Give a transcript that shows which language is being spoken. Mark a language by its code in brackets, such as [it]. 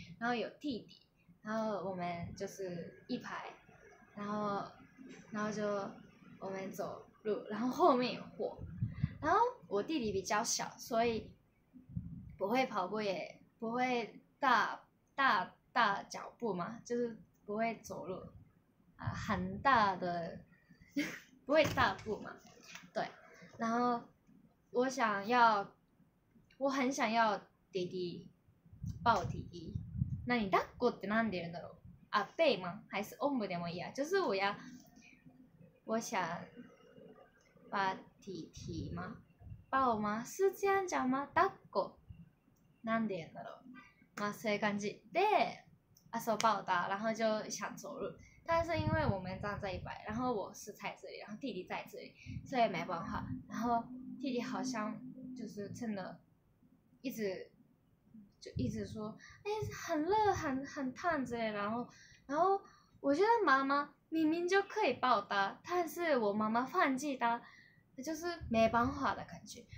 [zh] 然后有弟弟，然后我们就是一排，然后就我们走路，然后后面有火，然后我弟弟比较小，所以不会跑步，也不会大大脚步嘛，就是不会走路啊，很大的不会大步嘛，对。然后我想要，我很想要弟弟，抱弟弟。那你抱过 [ja] って何て言うんだろう？ [zh] 啊，背吗？还是 omb [ja] でもいいや？ [zh] 就是我要，我想把弟弟吗？抱吗？是这样讲吗？抱过， [ja] 何て言うんだろう？まあそういう感じで遊ばうた、 [zh] 然后就想走路。但是因为我们站在一排，然后我是在这里，然后弟弟在这里，所以没办法。然后弟弟好像就是真的，一直说，哎，很热，很烫之类的。然后我觉得妈妈明明就可以抱他，但是我妈妈放弃他，就是没办法的感觉。